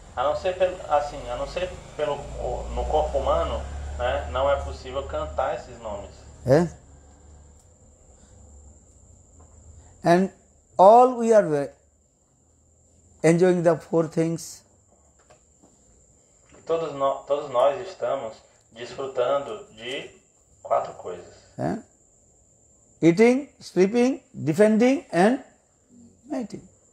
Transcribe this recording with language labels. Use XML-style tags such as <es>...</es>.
<pt>A não ser pelo no corpo humano, né, não é possível cantar esses nomes. Eh?</pt> <en>And all we are enjoying the four things.</en> <pt>Todos nós estamos desfrutando de quatro coisas. Eh?</pt> <en>Eating, sleeping, defending and mating.</en>